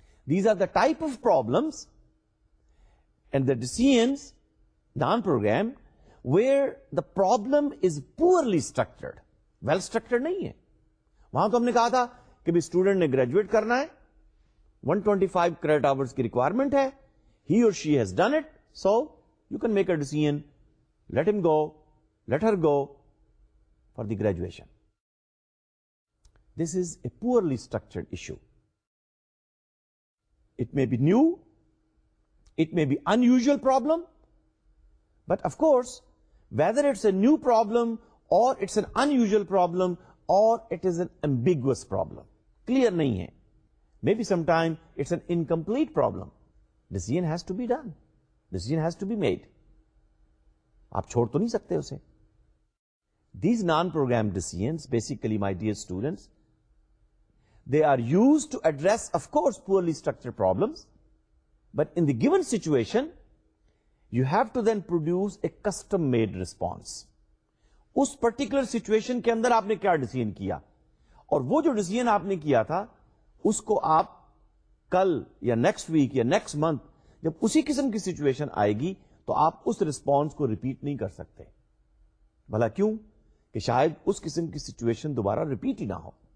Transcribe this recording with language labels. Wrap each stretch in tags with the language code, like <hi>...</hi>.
<en>these are the type of problems and the decision non programme where the problem is poorly structured, well structured</en> <ur>نہیں ہے. وہاں تو ہم نے کہا تھا کہ بھی اسٹوڈنٹ نے گریجویٹ کرنا ہے,</ur> <en>125 credit hours کی requirement ہے, he or she has done it, so you can make a decision, let him go, let her go for the graduation. This is a poorly structured issue. It may be new, it may be unusual problem, but of course whether it's a new problem or it's an unusual problem or it is an ambiguous problem,</en> <ur>clear نہیں ہے,</ur> <en>may be some time it's an incomplete problem, decision has to be done, decision has to be made,</en> <ur>آپ چھوڑ تو نہیں سکتے اسے.</ur> <en>These non programme decisions basically my dear students, they are use to address of course poorly structure problems, but in the given situation you have to then produce a custom made response.</en> <ur>اس particular situation کے اندر آپ نے کیا decision کیا, اور وہ جو decision آپ نے کیا تھا اس کو آپ کل یا نیکسٹ ویک یا نیکسٹ منتھ جب اسی قسم کی سچویشن آئے گی تو آپ اس ریسپانس کو ریپیٹ نہیں کر سکتے. بھلا کیوں؟ کہ شاید اس قسم کی سچویشن دوبارہ ریپیٹ ہی نہ ہو.</ur>